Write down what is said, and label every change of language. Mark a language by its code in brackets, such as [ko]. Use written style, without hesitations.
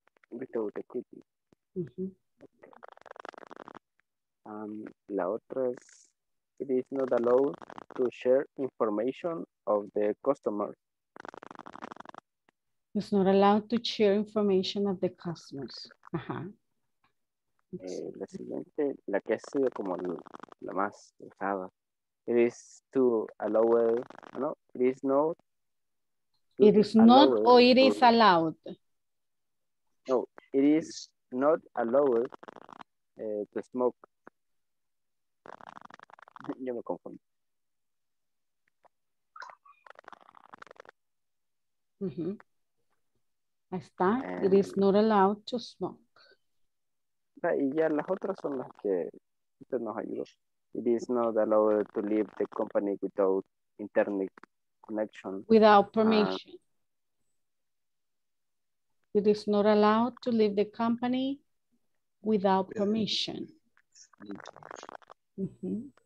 [en] Without equipment. Mm-hmm. Okay. [es] La otra es, [en] it is not allowed to share information of the customers. It's not allowed to share information of the customers. Uh-huh. [es] La siguiente, la que ha sido como la más usada. [en] It is to allow, no, it is not. It is not or it is allowed? No, it is not allowed to smoke. [es] Yo me confundo. Mm-hmm. Ahí está. [en] It is not allowed to smoke. [es] Y ya las otras son las que usted nos ayudó. [en] It is not allowed to leave the company without internet connection. Without permission. It is not allowed to leave the company without permission. Mm-hmm.